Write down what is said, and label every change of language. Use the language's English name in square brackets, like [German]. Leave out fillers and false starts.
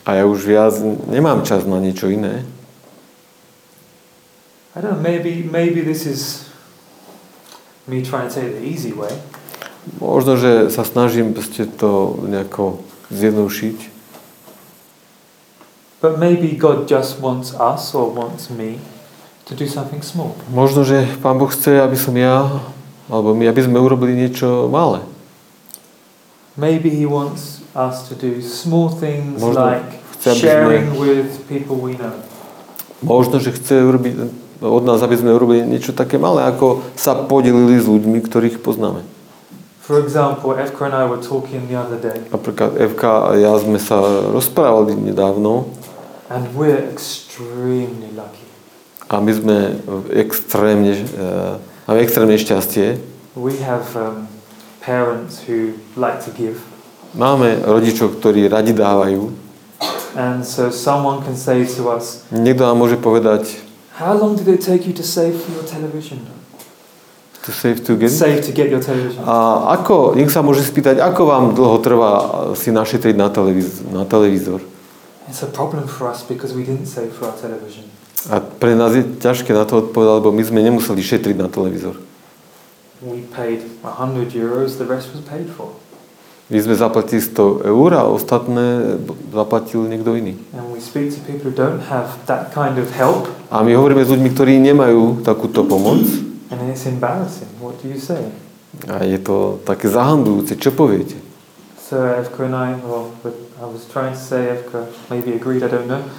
[Slovak] A ja už viac nemám čas na niečo iné. [English] I don't know, maybe this is me trying to say the easy way. [Slovak] Možno, že sa snažím proste to nejako zjednoušiť. [English] But maybe God just wants us or wants me to do something small. [Slovak] Možno, že Pán Boh chce, aby som ja alebo my, aby sme urobili niečo malé. [English] Maybe he wants us to do small things [Slovak] možno [English] like [Slovak] chce, [English] sharing [Slovak] sme, [English] with people we know. [Slovak] Možno, že chce urobiť od nás, aby sme urobili niečo také malé, ako sa podelili s ľuďmi, ktorých poznáme. [English] For example, Evka and I were talking the other day. [Slovak] Napríklad Evka a ja sme sa rozprávali nedávno. [English] And we're extremely lucky. [Slovak] A my sme extrémne máme extrémne šťastie. [English] We have parents who like to give. [Slovak] Máme rodičov, ktorí radi dávajú. [English] And so someone can say to us. [Slovak] Niekto nám môže povedať. [English] How long did it take you to save for your television? To save to get? Save to get your television. [Slovak] A ako, niekto sa môže spýtať, ako vám dlho trvá si našetriť na televízor? [English] It's a problem for us because we didn't save for our television. [Slovak] A pre nás je ťažké na to odpovedať, lebo my sme nemuseli šetriť na televízor. [English] We paid 100 euros, the rest was paid for. [Slovak] My sme zaplatili 100 eur a ostatné zaplatil niekto iný. [English] And we speak to people who don't have that kind of help. [Slovak] A my hovoríme s ľuďmi, ktorí nemajú takúto pomoc. [English] And it's embarrassing. What do you say? [Slovak] A je to také zahambujúce. Čo poviete? [English] So Evka and I, well, I was trying to say Evka maybe agreed, I don't know.